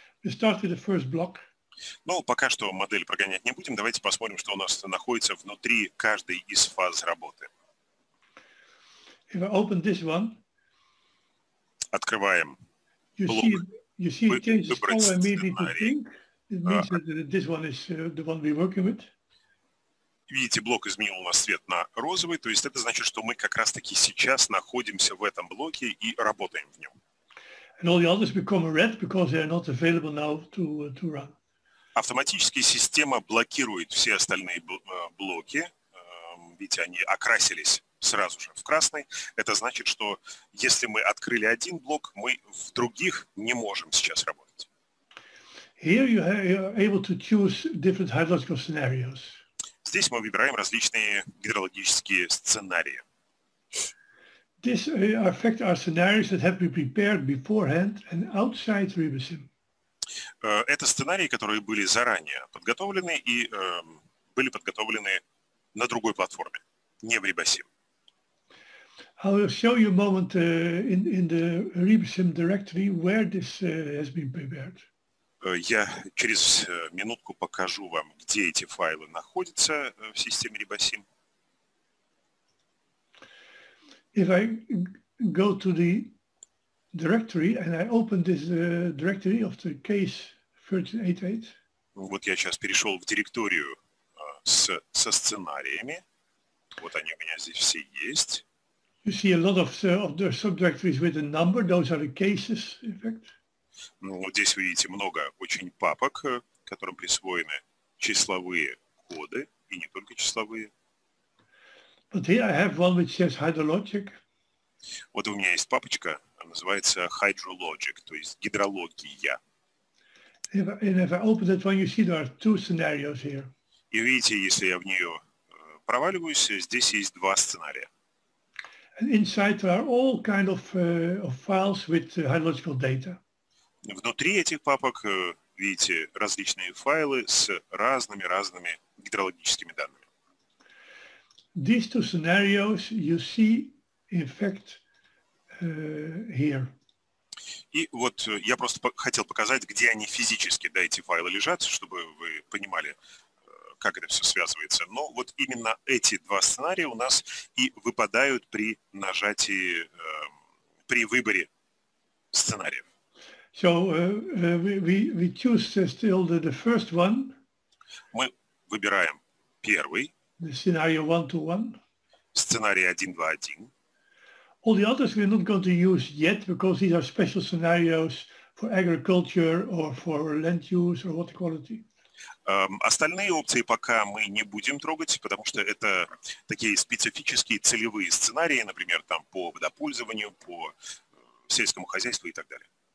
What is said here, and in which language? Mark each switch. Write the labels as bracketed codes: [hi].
[en] We start with the first block. [ru] Ну, пока что модель прогонять не будем. Давайте посмотрим, что у нас находится внутри каждой из фаз работы. [en] If I open this one, [ru] открываем блок. [en] You see it changes color immediately to pink. It means that this one is the one we're working with. [ru] Видите, блок изменил у нас цвет на розовый, то есть это значит, что мы как раз-таки сейчас находимся в этом блоке и работаем в нем. [en] And all the others become red because they are not available now to run. [ru] Автоматически система блокирует все остальные блоки. Видите, они окрасились сразу же в красный. Это значит, что если мы открыли один блок, мы в других не можем сейчас работать. [en] Here you are able to choose different hydrological scenarios. [ru] Здесь мы выбираем различные гидрологические сценарии. [en] This affect our scenarios that have been prepared beforehand and outside Ribosim. [ru] Это сценарии, которые были заранее подготовлены и были подготовлены на другой платформе, не в Ribosim. [en] I will show you a moment in the Ribosim directory where this has been prepared. [ru] Я через минутку покажу вам, где эти файлы находятся в системе Ribosim. [en] If I go to the directory and I open this directory of the case 1388. [ru] Вот я сейчас перешел в директорию со сценариями. Вот они у меня здесь все есть. [en] You see a lot of the subdirectories with a number. Those are the cases, in fact. [ru] Ну, здесь вы видите много очень папок, которым присвоены числовые коды, и не только числовые. [en] But here I have one which says hydrologic. [ru] Вот у меня есть папочка, называется hydrologic, то есть гидрология. [en] And if I open that one, you see there are two scenarios here. [ru] И видите, если я в нее проваливаюсь, здесь есть два сценария. [en] And inside there are all kind of files with hydrological data. [ru] Внутри этих папок, видите, различные файлы с разными-разными гидрологическими данными. [en] These two scenarios you see, in fact, here. [ru] И вот я просто хотел показать, где они физически, да, эти файлы лежат, чтобы вы понимали, как это все связывается. Но вот именно эти два сценария у нас и выпадают при нажатии, при выборе сценариев. [en] So we choose still the first one. [ru] Мы выбираем первый. [en] The scenario 1-to-1. [ru] Сценарий 1-2-1. [en] All the others we're not going to use yet because these are special scenarios for agriculture or for land use or water quality. [ru] Остальные опции пока мы не будем трогать, потому что это такие специфические целевые сценарии, например, там по водопользованию, по сельскому хозяйству и так далее.